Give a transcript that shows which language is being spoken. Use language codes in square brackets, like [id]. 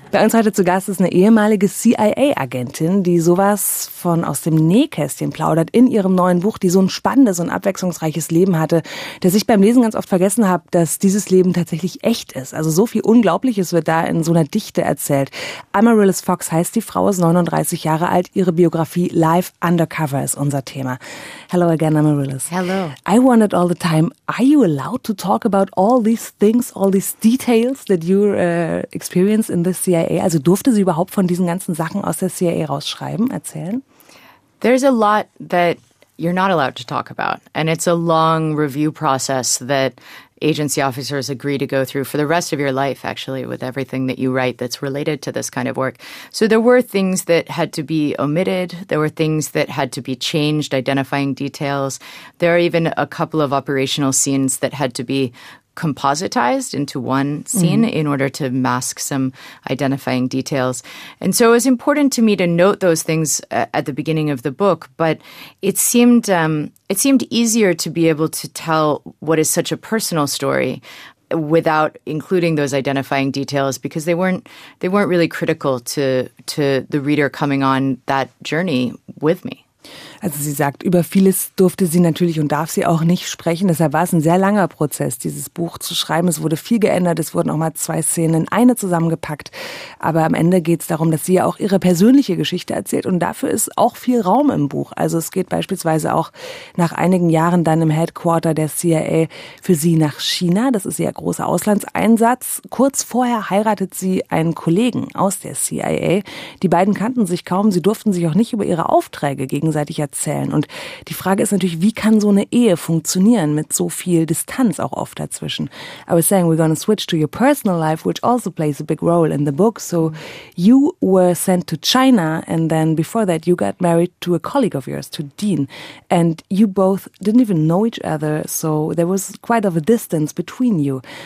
[de] Bei uns heute zu Gast ist eine ehemalige CIA-Agentin, die sowas von aus dem Nähkästchen plaudert in ihrem neuen Buch, die so ein spannendes und abwechslungsreiches Leben hatte, dass ich beim Lesen ganz oft vergessen habe, dass dieses Leben tatsächlich echt ist. Also so viel Unglaubliches wird da in so einer Dichte erzählt. Amaryllis Fox heißt die Frau, ist 39 Jahre alt. Ihre Biografie Life Undercover ist unser Thema. [en] Hello again, [de] Amaryllis. [en] Hello. I wondered all the time, are you allowed to talk about all these things, all these details that you experience in this CIA? [de] Also durfte sie überhaupt von diesen ganzen Sachen aus der CIA rausschreiben, erzählen? [en] There's a lot that you're not allowed to talk about. And it's a long review process that agency officers agree to go through for the rest of your life, actually, with everything that you write that's related to this kind of work. So there were things that had to be omitted. There were things that had to be changed, identifying details. There are even a couple of operational scenes that had to be compositized into one scene in order to mask some identifying details. And so it was important to me to note those things at the beginning of the book, but it seemed easier to be able to tell what is such a personal story without including those identifying details, because they weren't really critical to the reader coming on that journey with me. [de] Also sie sagt, über vieles durfte sie natürlich und darf sie auch nicht sprechen. Deshalb war es ein sehr langer Prozess, dieses Buch zu schreiben. Es wurde viel geändert, es wurden auch mal 2 Szenen in eine zusammengepackt. Aber am Ende geht es darum, dass sie ja auch ihre persönliche Geschichte erzählt. Und dafür ist auch viel Raum im Buch. Also es geht beispielsweise auch nach einigen Jahren dann im Headquarter der CIA für sie nach China. Das ist ihr großer Auslandseinsatz. Kurz vorher heiratet sie einen Kollegen aus der CIA. Die beiden kannten sich kaum. Sie durften sich auch nicht über ihre Aufträge gegenseitig erzählen. Und die Frage ist natürlich, wie kann so eine Ehe funktionieren mit so viel Distanz auch oft dazwischen? [en] I was saying we're going to switch to your personal life, which also plays a big role in the book. So you were sent to China, and then before that you got married to a colleague of yours, to Dean. And you both didn't even know each other, so there was quite of a distance between you.